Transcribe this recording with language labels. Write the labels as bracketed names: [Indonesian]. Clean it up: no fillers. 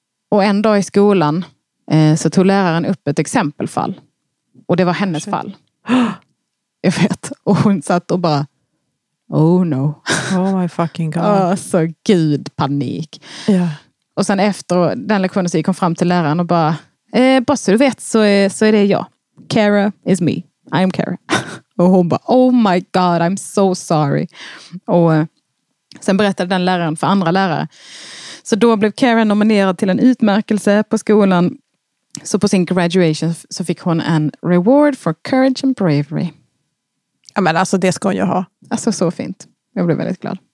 [Swedish] Och en dag i skolan så tog läraren upp ett exempelfall. Och det var hennes shit. Fall. Jag vet. Och hon satt och bara, [English] oh no. Oh my fucking god. [Swedish] Alltså gud, panik. [English] Yeah. [Swedish] Och sen efter den lektionen så gick hon fram till läraren och bara, bara så du vet så är det jag. [English] Kara is me. I am Kara. [Swedish] Och hon bara, [English] oh my god, I'm so sorry. [Swedish] Och sen berättade den läraren för andra lärare. Så då blev Kara nominerad till en utmärkelse på skolan. Så på sin graduation så fick hon en [English] reward for courage and bravery. [Swedish] Ja, men alltså det ska hon ju ha. Alltså så fint. Jag blev väldigt glad.